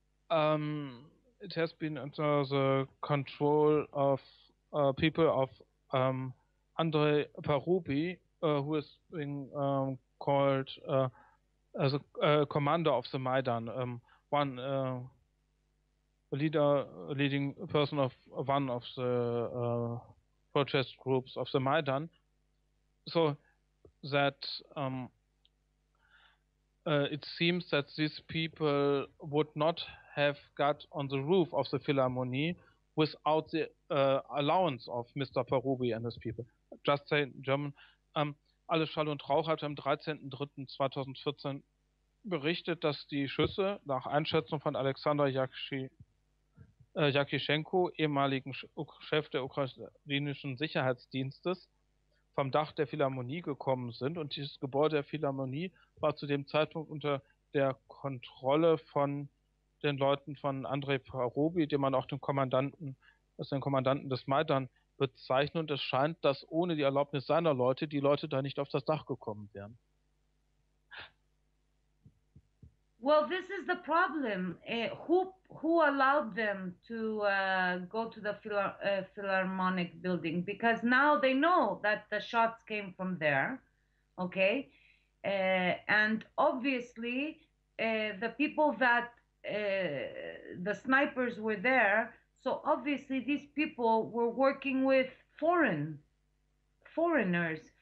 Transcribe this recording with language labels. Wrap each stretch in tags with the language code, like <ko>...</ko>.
<en>It has been under the control of people of Andrei Parubi, who is being called as a commander of the Maidan, one leading person of one of the protest groups of the Maidan. So that it seems that these people would not have got on the roof of the Philharmonie without the allowance of Mr. Parubi and his people. Just say in German,</en> <de>Alle Schall und Rauch hat am 13.03.2014 berichtet, dass die Schüsse nach Einschätzung von Alexander Yakishenko, ehemaligen Chef der ukrainischen Sicherheitsdienstes, vom Dach der Philharmonie gekommen sind. Und dieses Gebäude der Philharmonie war zu dem Zeitpunkt unter der Kontrolle von den Leuten von Andrei Parubi, den man auch den Kommandanten des Maidan bezeichnet. Und es scheint, dass ohne die Erlaubnis seiner Leute die Leute da nicht auf das Dach gekommen wären.</de> <en>Well, this is the problem. Who allowed them to go to the Philharmonic building? Because now they know that the shots came from there, okay? And obviously, the people that the snipers were there, so obviously these people were working with foreigners.</en>